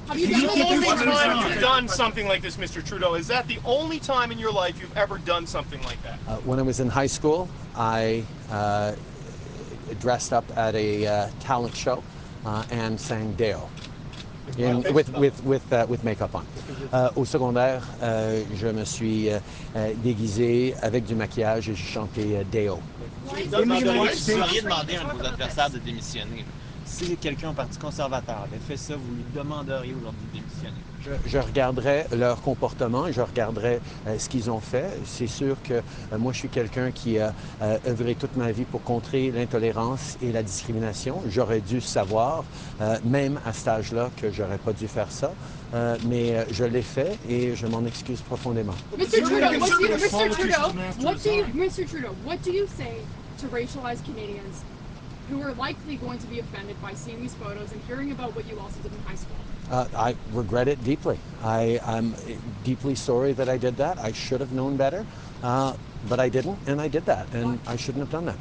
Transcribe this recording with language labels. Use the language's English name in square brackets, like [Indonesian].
[English] Have you done something like this, Mr. Trudeau? Is that the only time in your life you've ever done something like that? When I was in high school, I dressed up at a talent show and sang Deo with makeup on. [French] Au secondaire, je me suis déguisé avec du maquillage et j'ai chanté Deo. Vous auriez demandé à vos adversaires de démissionner. Si quelqu'un au Parti conservateur avait fait ça, vous lui demanderiez aujourd'hui de démissionner. Je regarderais leur comportement, je regarderais ce qu'ils ont fait. C'est sûr que moi, je suis quelqu'un qui a œuvré toute ma vie pour contrer l'intolérance et la discrimination. J'aurais dû savoir, même à cet âge-là, que j'aurais pas dû faire ça. Mais je l'ai fait et je m'en excuse profondément. [English] Mr. Trudeau, what do you say to racialized Canadians who are likely going to be offended by seeing these photos and hearing about what you also did in high school? I regret it deeply. I'm deeply sorry that I did that. I should have known better, but I didn't, and I did that, and I shouldn't have done that.